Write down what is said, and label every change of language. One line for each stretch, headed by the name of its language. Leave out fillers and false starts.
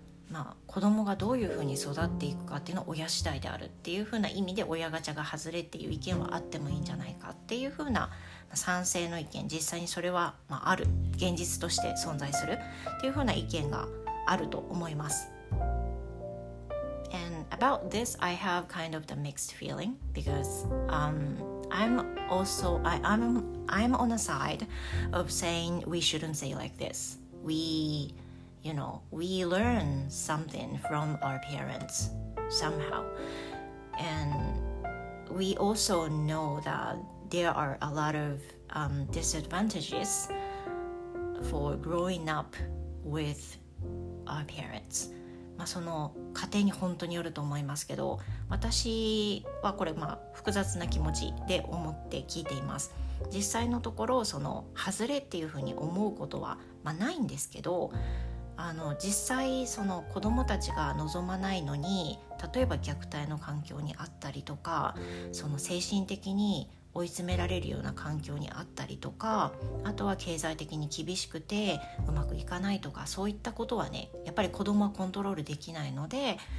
Japanese: まあ、子供がどういうふうに育っていくかっていうのは親次第であるっていうふうな意味で、親ガチャが外れっていう意見はあってもいいんじゃないかっていうふうな賛成の意見、実際にそれは、まあ、ある現実として存在するっていうふうな意見があると思います。
English: And about this I have kind of the mixed feeling because I'm on the side of saying we shouldn't say like this. We learn something from our parents somehow. And we also know that there are a lot of disadvantages for growing up with our parents.
Japanese: まあ、その家庭に本当によると思いますけど、私はこれ、まあ、複雑な気持ちで思って聞いています。実際のところその外れっていうふうに思うことは、まあ、ないんですけど、あの、実際その子どもたちが望まないのに、例えば虐待の環境にあったりとか、その精神的に追い詰められるような環境にあったりとか、あとは経済的に厳しくてうまくいかないとか、そういったことはね、やっぱり子供はコントロールできないので、